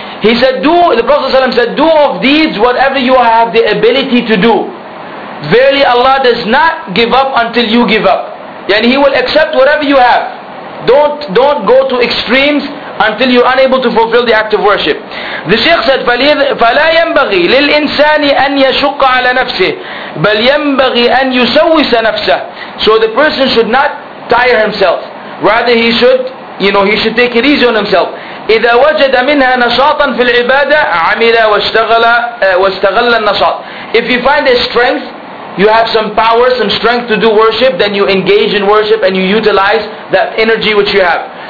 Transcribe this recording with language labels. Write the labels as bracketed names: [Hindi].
[English] He said, the Prophet ﷺ said, do of deeds whatever you have the ability to do. Verily Allah does not give up until you give up. Yani He will accept whatever you have. Don't go to extremes until you're unable to fulfill the act of worship. The Sheikh said, [Arabic] فَلَا يَنْبَغِي لِلْإِنسَانِ أَنْ يَشُقَّ عَلَى نَفْسِهِ بَلْ يَنْبَغِي أَنْ يُسَوِّسَ نَفْسَهِ. [English] So the person should not tire himself. Rather he should, he should take it easy on himself. [Arabic] إِذَا وَجَدَ مِنْهَا نَشَاطًا فِي الْعِبَادَةِ عَمِلَ وَاشْتَغَلَ النَّشَاطِ. [English] If you find a strength, you have some power, some strength to do worship, then you engage in worship and you utilize that energy which you have.